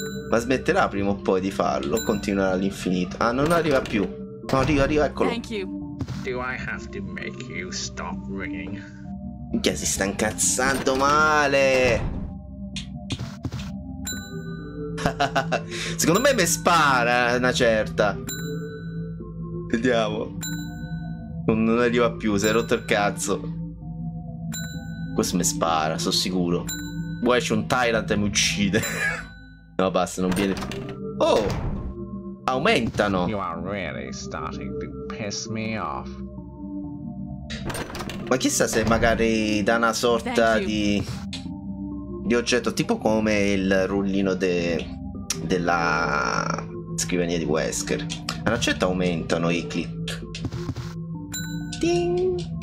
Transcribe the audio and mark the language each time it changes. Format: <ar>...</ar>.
<it>Ma smetterà prima o poi di farlo, continuerà all'infinito. Ah, non arriva più. No, arriva, eccolo.</it> <en>Thank you. Do I have to make you stop ringing?</en> <it>Minchia, si sta incazzando male. Secondo me mi spara una certa. Vediamo. Non arriva più, si è rotto il cazzo. Questo mi spara, sono sicuro. Vuoi c'è un Tyrant e mi uccide. No, basta, non viene. Oh! Aumentano.</it> <en>You are really starting to piss me off.</en> <it>Ma chissà se magari da una sorta di oggetto, tipo come il rullino della scrivania di Wesker. A una certa aumentano i click. Ding.</it>